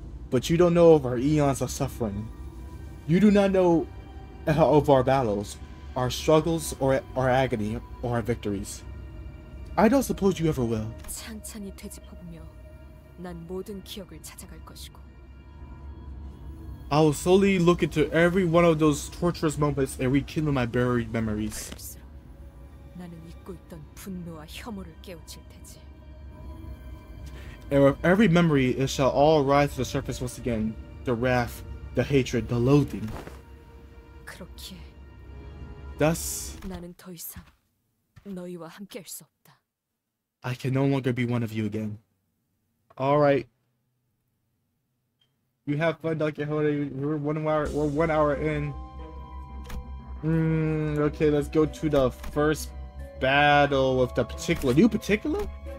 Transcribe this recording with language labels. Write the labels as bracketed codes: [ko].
[en] But you don't know of our eons of suffering. You do not know of our battles, our struggles, or our agony, or our victories. I don't suppose you ever will. [ko] 찬찬히 되짚어보며 난 모든 기억을 찾아갈 것이고. [en] I will slowly look into every one of those torturous moments and rekindle my buried memories. [ko] 그럴수록 나는 잊고 있던 분노와 혐오를 깨우칠 테지. [en] And with every memory, it shall all rise to the surface once again. The wrath, the hatred, the loathing. [ko] 그렇기에 [en] Thus, [ko] 나는 더 이상 너희와 함께 할 수 없다. [en] I can no longer be one of you again. Alright. You have fun, Don Quixote. We're one hour in. Okay, let's go to the first battle with the particular. New particular?